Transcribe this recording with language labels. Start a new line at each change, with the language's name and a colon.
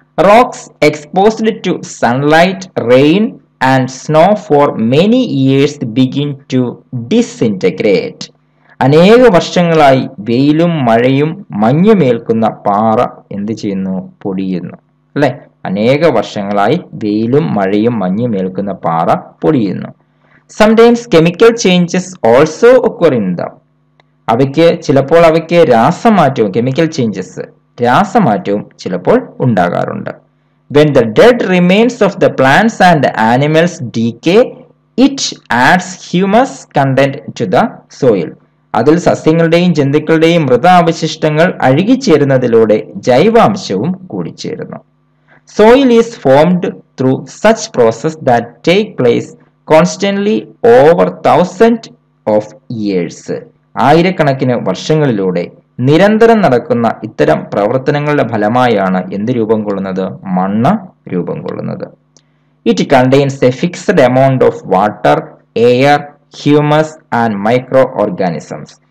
English: Rocks exposed to sunlight, rain and snow for many years begin to disintegrate.
Malayalam: അനേക വർഷങ്ങളായി വെയിലും മഴയും മഞ്ഞുമേൽക്കുന്ന പാറ എന്ത് ചെയ്യുന്നു? പൊടിയുന്നു അല്ലെ. അനേക വർഷങ്ങളായി വെയിലും മഴയും മഞ്ഞുമേൽക്കുന്ന പാറ പൊടിയുന്നു.
English: Sometimes chemical changes also occur in them.
Malayalam: അവയ്ക്ക് ചിലപ്പോൾ രാസമാറ്റവും, കെമിക്കൽ ചേഞ്ചസ്, രാസമാറ്റവും ചിലപ്പോൾ ഉണ്ടാകാറുണ്ട്.
English: When the dead remains of the plants and animals decay, it adds humus content to the soil.
Malayalam: അതിൽ സസ്യങ്ങളുടെയും ജന്തുക്കളുടെയും മൃതാവശിഷ്ടങ്ങൾ അഴുകിച്ചേരുന്നതിലൂടെ ജൈവാംശവും കൂടിച്ചേരുന്നു.
English: Soil is formed through such process that take place constantly over thousands of years.
Malayalam: ആയിരക്കണക്കിന് വർഷങ്ങളിലൂടെ നിരന്തരം നടക്കുന്ന ഇത്തരം പ്രവർത്തനങ്ങളുടെ ഫലമായാണ് എന്ത് രൂപം കൊള്ളുന്നത്? മണ്ണ് രൂപം കൊള്ളുന്നത്.
English: It contains a fixed amount of water, air, humus and micro organisms.